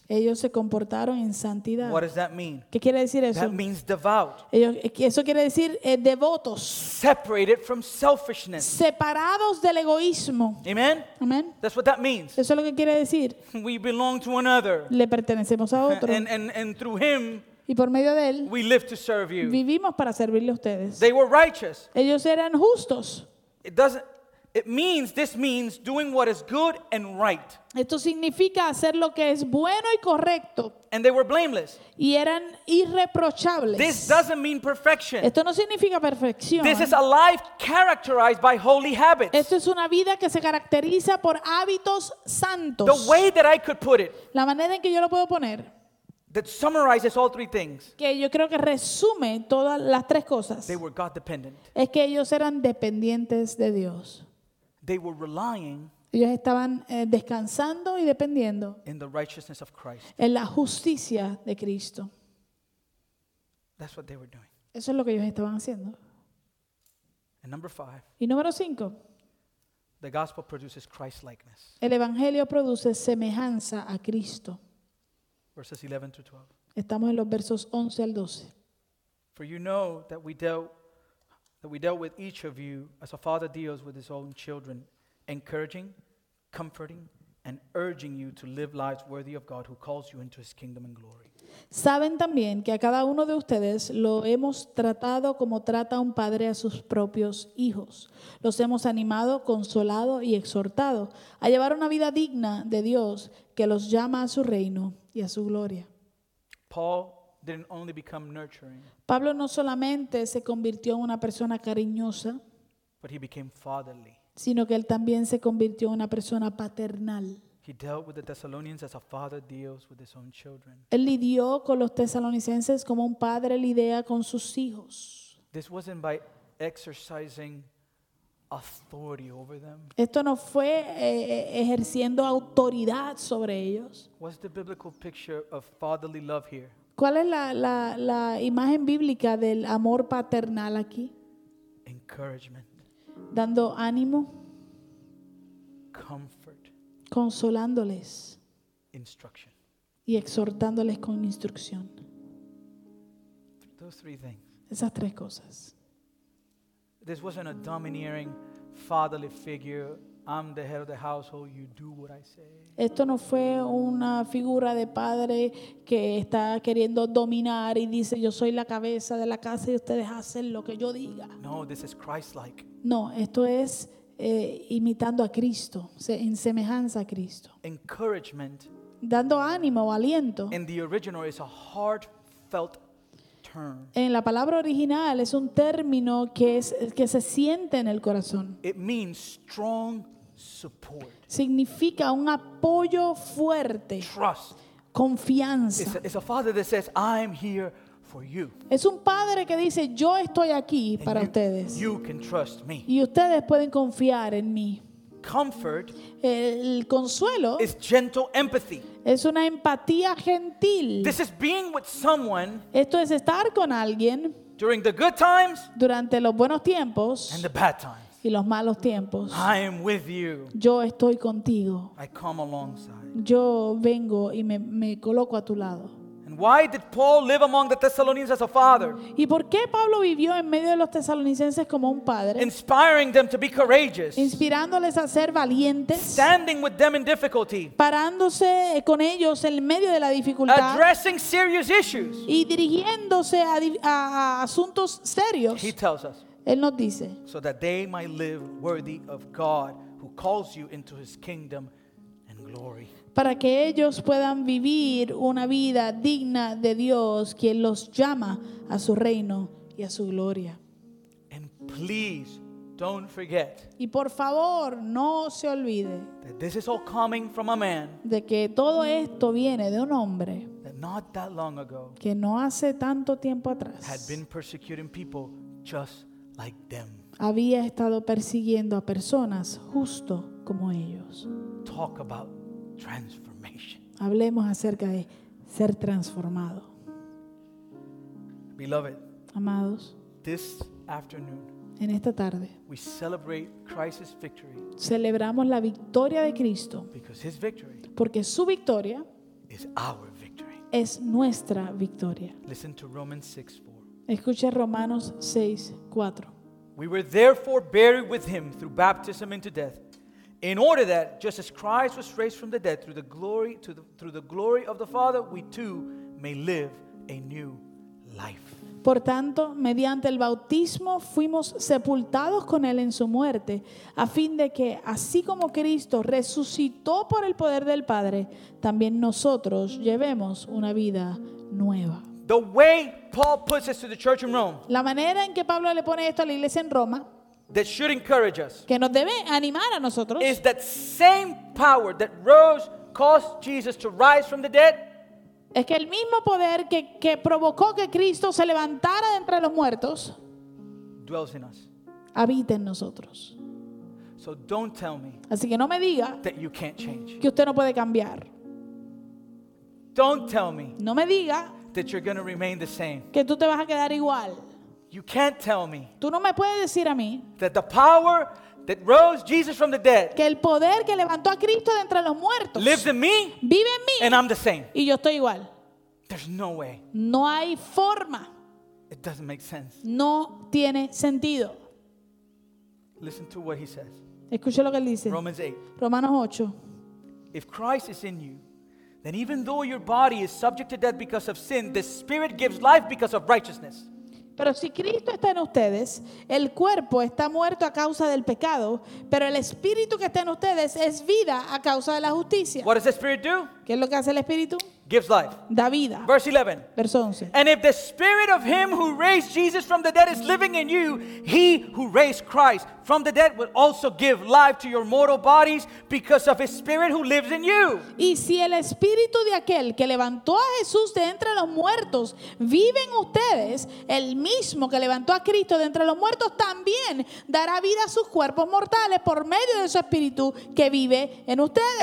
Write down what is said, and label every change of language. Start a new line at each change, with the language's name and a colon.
Spanish: Ellos se comportaron en santidad.
English: What does that mean?
Spanish: ¿Qué quiere decir eso?
English: That means devout.
Spanish: Eso quiere decir devotos.
English: Separated from selfishness.
Spanish: Separados del egoísmo.
English: Amen.
Spanish: Amen.
English: That's what that means.
Spanish: Eso es lo que quiere decir.
English: We belong to another.
Spanish: Le pertenecemos a otro.
English: And through him.
Spanish: Y por medio de él.
English: We live to serve you.
Spanish: Vivimos para servirle a ustedes.
English: They were righteous.
Spanish: Ellos eran justos.
English: This means doing what is good and right.
Spanish: Esto significa hacer lo que es bueno y correcto.
English: And they were blameless.
Spanish: Y eran irreprochables.
English: This doesn't mean perfection.
Spanish: Esto no significa perfección.
English: This is a life characterized by holy habits.
Spanish: Esto es una vida que se caracteriza por hábitos santos.
English: The way that I could put it.
Spanish: La manera en que yo lo puedo poner.
English: That summarizes all three things.
Spanish: Que yo creo que resume todas las tres cosas.
English: They were God dependent.
Spanish: Es que ellos eran dependientes de Dios.
English: They were relying.
Spanish: Ellos estaban descansando y dependiendo.
English: In the righteousness of Christ.
Spanish: En la justicia de Cristo.
English: That's what they were doing.
Spanish: Eso es lo que ellos estaban haciendo.
English: And number five.
Spanish: Y número cinco.
English: The gospel produces Christ-likeness.
Spanish: El evangelio produce semejanza a Cristo.
English: Verses 11 to 12.
Spanish: Estamos en los versos 11 al 12.
English: For you know that we dealt with each of you as a father deals with his own children, encouraging, comforting, and urging you to live lives worthy of God who calls you into his kingdom and glory.
Spanish: Saben también que a cada uno de ustedes lo hemos tratado como trata un padre a sus propios hijos. Los hemos animado, consolado y exhortado a llevar una vida digna de Dios que los llama a su reino y a su gloria.
English: Paul didn't only become nurturing.
Spanish: Pablo no solamente se convirtió en una persona cariñosa,
English: but he became fatherly.
Spanish: Sino que él también se convirtió en una persona paternal.
English: He dealt with the Thessalonians as a father deals with his own children.
Spanish: Él lidió con los tesalonicenses como un padre lidia con sus hijos.
English: This wasn't by exercising authority over them.
Spanish: Esto no fue ejerciendo autoridad sobre ellos.
English: What's the biblical picture of fatherly love here?
Spanish: ¿Cuál es la imagen bíblica del amor paternal aquí?
English: Encouragement.
Spanish: Dando ánimo.
English: Comfort.
Spanish: Consolándoles.
English: Instruction.
Spanish: Y exhortándoles con instrucción.
English: Those three things.
Spanish: Esas tres cosas.
English: This wasn't a domineering fatherly figure. I'm the head of the household, you do what I say.
Spanish: Esto no fue una figura de padre que está queriendo dominar y dice yo soy la cabeza de la casa y ustedes hacen lo que yo diga.
English: No, this is Christ-like.
Spanish: No, esto es imitando a Cristo, en semejanza a Cristo.
English: Encouragement.
Spanish: Dando ánimo o aliento.
English: In the original is a heartfelt term.
Spanish: En la palabra original es un término que se siente en el corazón.
English: It means strong support.
Spanish: Significa un apoyo fuerte.
English: Trust.
Spanish: Confianza.
English: It's a father that says, I'm here for you.
Spanish: Es un padre que dice, yo estoy aquí para ustedes.
English: You can trust me.
Spanish: Y ustedes pueden confiar en mí.
English: Comfort.
Spanish: El consuelo.
English: Is gentle empathy.
Spanish: Es una empatía gentil.
English: This is being with someone.
Spanish: Esto es estar con alguien.
English: During the good times.
Spanish: Durante los buenos tiempos.
English: And the bad times.
Spanish: Y los malos tiempos.
English: I am with you.
Spanish: Yo estoy contigo.
English: I come alongside.
Spanish: Yo vengo y me coloco a tu lado.
English: And why did Paul live among the Thessalonians as a father?
Spanish: ¿Y por qué Pablo vivió en medio de los tesalonicenses como un padre?
English: Inspiring them to be courageous.
Spanish: Inspirándoles a ser valientes.
English: Standing with them in difficulty.
Spanish: Parándose con ellos en medio de la dificultad.
English: Addressing serious issues.
Spanish: Y dirigiéndose a asuntos serios.
English: He tells us.
Spanish: Él nos dice.
English: So that they might live worthy of God who calls you into his kingdom and glory.
Spanish: Para que ellos puedan vivir una vida digna de Dios, quien los llama a su reino y a su gloria.
English: And please don't forget.
Spanish: Y por favor, no se olvide.
English: That this is all coming from a man.
Spanish: De que todo esto viene de un hombre.
English: That not that long ago.
Spanish: Que no hace tanto tiempo atrás.
English: Had been persecuting people just like them.
Spanish: Había estado persiguiendo a personas justo como ellos.
English: Talk about transformation.
Spanish: Hablemos acerca de ser transformado.
English: Beloved,
Spanish: amados,
English: this afternoon,
Spanish: En esta tarde,
English: we celebrate Christ's victory.
Spanish: Celebramos la victoria de Cristo.
English: Because his victory,
Spanish: porque su victoria,
English: is our victory.
Spanish: Es nuestra victoria.
English: Listen to Romans 6:4.
Spanish: Escucha Romanos 6:4.
English: We were therefore buried with him through baptism into death, in order that, just as Christ was raised from the dead through the glory of the Father, we too may live a new life.
Spanish: Por tanto, mediante el bautismo fuimos sepultados con él en su muerte, a fin de que, así como Cristo resucitó por el poder del Padre, también nosotros llevemos una vida nueva.
English: The way Paul puts this to the church in Rome,
Spanish: la manera en que Pablo le pone esto a la iglesia en Roma,
English: that should encourage us,
Spanish: que nos debe animar a nosotros,
English: is that same power that rose caused Jesus to rise from the dead.
Spanish: Es que el mismo poder que provocó que Cristo se levantara de entre los muertos
English: dwells in us.
Spanish: Habita en nosotros.
English: So don't tell me,
Spanish: así que no me diga
English: that you can't change.
Spanish: Que usted no puede cambiar.
English: Don't tell me,
Spanish: no me diga
English: that you're going to remain the same.
Spanish: Que tú te vas a quedar igual.
English: You can't tell me,
Spanish: tú no me puedes decir a mí
English: that the power that rose Jesus from the dead,
Spanish: que el poder que levantó a Cristo de entre los muertos,
English: lives in me,
Spanish: vive en mí,
English: and I'm the same.
Spanish: Y yo estoy igual.
English: There's no way.
Spanish: No hay forma.
English: It doesn't make sense.
Spanish: No tiene sentido.
English: Listen to what he says.
Spanish: Escuche lo que él dice.
English: Romans 8.
Spanish: Romanos 8.
English: If Christ is in you, then even though your body is subject to death because of sin, the Spirit gives life because of righteousness.
Spanish: Pero si Cristo está en ustedes, el cuerpo está muerto a causa del pecado, pero el Espíritu que está en ustedes es vida a causa de la justicia.
English: What does the Spirit do?
Spanish: ¿Qué es lo que hace el Espíritu?
English: Gives life.
Spanish: Da vida.
English: Verse 11.
Spanish: Verso 11.
English: And if the Spirit of him who raised Jesus from the dead is living in you, he who raised Christ from the dead will also give life to your mortal bodies because of his Spirit who lives in you.
Spanish: Y si el Espíritu de aquel que levantó a Jesús de entre los muertos vive en ustedes, el mismo que levantó a Cristo de entre los muertos también dará vida a sus cuerpos mortales por medio de su Espíritu que vive en ustedes.